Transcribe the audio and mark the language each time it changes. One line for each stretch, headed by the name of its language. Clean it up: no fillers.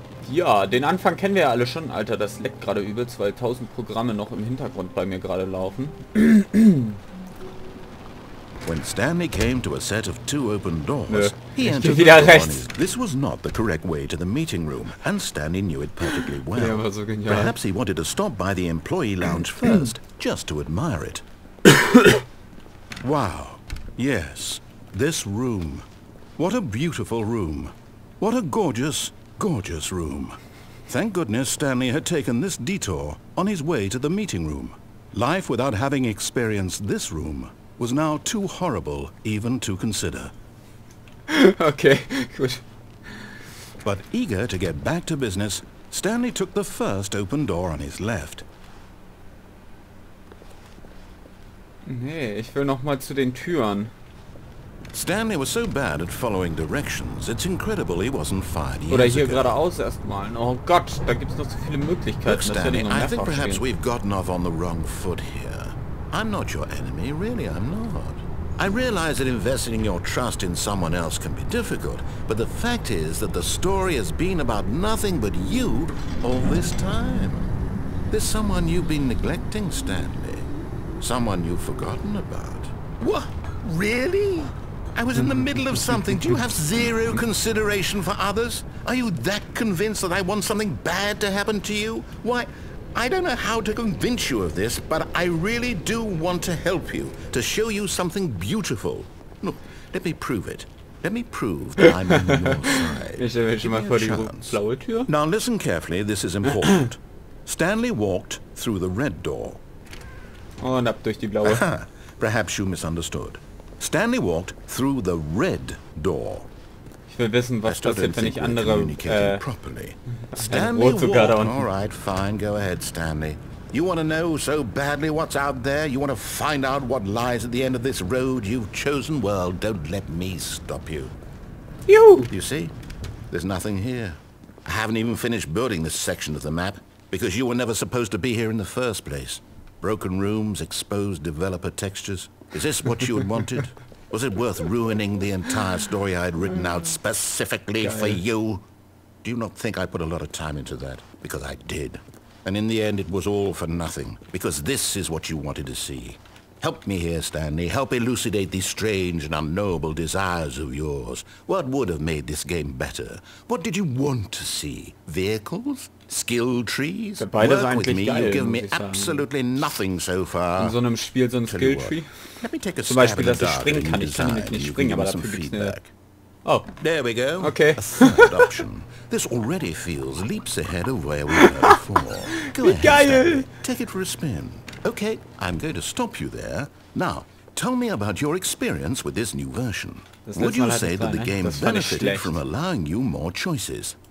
German: Ja, den Anfang kennen wir ja alle schon. Alter, das leckt gerade übel, 2000 Programme noch im Hintergrund bei mir gerade laufen.
English: When Stanley came to a set of two open doors, he entered the door on his... This was not the correct way to the meeting room, and Stanley knew it perfectly well.
German: Ja, war so genial.
English: Perhaps he wanted to stop by the employee lounge first, just to admire it. Wow. Yes. This room. What a beautiful room. What a gorgeous, gorgeous room. Thank goodness Stanley had taken this detour on his way to the meeting room. Life without having experienced this room was now too horrible even to consider.
German: Okay, gut.
English: But eager to get back to business, Stanley took the first open door on his left.
German: Nee, ich will noch mal zu den Türen.
English: Stanley was so bad at following directions, it's incredible he wasn't fired yet.
German: Oder hier geradeaus erstmal. Oh Gott, da gibt's noch so viele Möglichkeiten.
English: Look, Stanley, I think perhaps we've gotten off on the wrong foot here. I'm not your enemy, really, I'm not. I realize that investing your trust in someone else can be difficult, but the fact is that the story has been about nothing but you all this time. There's someone you've been neglecting, Stanley. Someone you've forgotten about. What? Really? I was in the middle of something. Do you have zero consideration for others? Are you that convinced that I want something bad to happen to you? Why? I don't know how to convince you of this, but I really do want to help you, to show you something beautiful. Look, let me prove it. Let me prove that I'm on your side. Now listen carefully, this is important. Stanley walked through the red door.
German: Und ab durch die blaue.
English: Perhaps you misunderstood. Stanley walked through the red door.
German: Ich will wissen, was passiert, wenn ich andere
English: properly. Stanley walked. All right, fine, go ahead, Stanley. You want to know so badly what's out there? You want to find out what lies at the end of this road you've chosen? Well, don't let me stop you. You see? There's nothing here. I haven't even finished building this section of the map, because you were never supposed to be here in the first place. Broken rooms, exposed developer textures. Is this what you had wanted? Was it worth ruining the entire story I had written out specifically for you? Do you not think I put a lot of time into that? Because I did. And in the end, it was all for nothing. Because this is what you wanted to see. Help me here, Stanley. Help elucidate these strange and unknowable desires of yours. What would have made this game better? What did you want to see? Vehicles? Skill trees? Work with me.
German: Geil,
English: you give me absolutely nothing so far.
German: In so einem Spiel so ein Skill tree.
English: Let me take a
German: zum Beispiel, dass ich springen kann. Ich kann nicht springen, aber dafür gibt's feedback. Oh,
English: there we go. Okay. A third option. This already feels leaps ahead of where we were before. Go ahead, geil. Stanley. Take it for a spin. Okay, I'm going to stop you there. Now, tell me about your experience with this new version. Would you say that the game benefited from allowing you more choices?